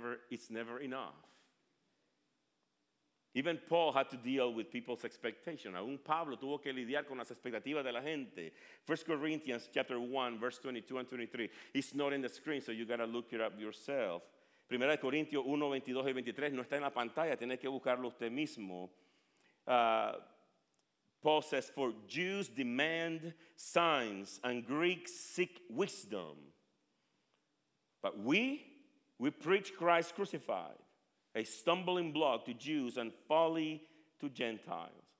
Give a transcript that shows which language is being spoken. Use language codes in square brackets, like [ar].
[en] It's never enough. Even Paul had to deal with people's expectation. [es] Aún Pablo tuvo que lidiar con las expectativas de la gente. [en] 1 Corinthians chapter 1, verse 22 and 23. It's not in the screen, so you got to look it up yourself. [es] 1 Corintios 1, 22 y 23, no está en la pantalla, tiene que buscarlo usted mismo. [en] Paul says, for Jews demand signs and Greeks seek wisdom. But we preach Christ crucified, a stumbling block to Jews and folly to Gentiles.